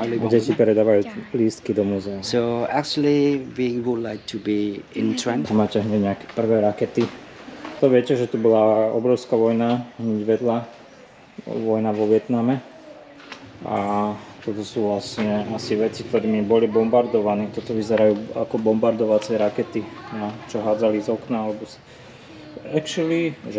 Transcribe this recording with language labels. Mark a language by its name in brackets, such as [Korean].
[Slovak] Deti predávajú lístky do múzea. [English] So actually we would like to be in trend. [Slovak] Tu máte hneď nejaké prvé rakety. To viete, že tu bola obrovská vojna, hneď vedľa. Vojna vo Vietname. A toto sú vlastne asi veci, ktorými boli bombardovaní. Toto vyzerajú ako bombardovacie rakety, čo hádzali z okna. [English] Actually.